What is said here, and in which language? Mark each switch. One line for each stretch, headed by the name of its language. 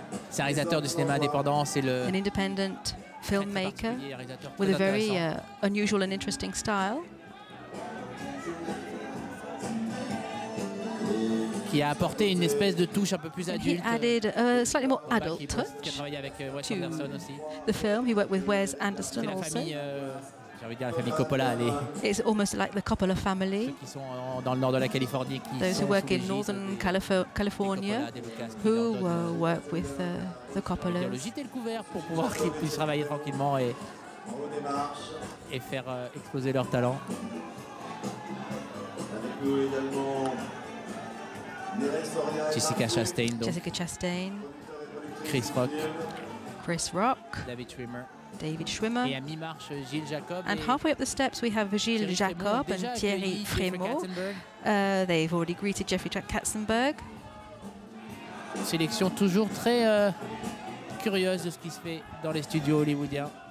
French: C'est un réalisateur du cinéma indépendant, c'est le
English: an independent filmmaker with a very unusual and interesting style.
French: Qui a apporté une espèce de touche un peu plus adulte.
English: He added a slightly more adult touch.
French: Il a travaillé avec Wes Anderson aussi.
English: The film, he worked with Wes Anderson also.
French: C'est la famille, j'ai envie de dire la famille Coppola, allez.
English: It's almost like the Coppola family.
French: Ceux qui sont dans le nord de la Californie, qui
English: those who work in Northern California, who work with the Coppolas.
French: Il a logé le couvert pour pouvoir qu'ils puissent travailler tranquillement et faire exposer leur talent. Avec nous également. Jessica Chastain, donc. Jessica Chastain, Chris Rock, David Schwimmer, et à mi-marche, Gilles Jacob,
English: and halfway up the steps we have Gilles Jacob and Thierry Frémaux. They've already greeted Jeffrey Katzenberg.
French: Sélection toujours très curieuse de ce qui se fait dans les studios hollywoodiens.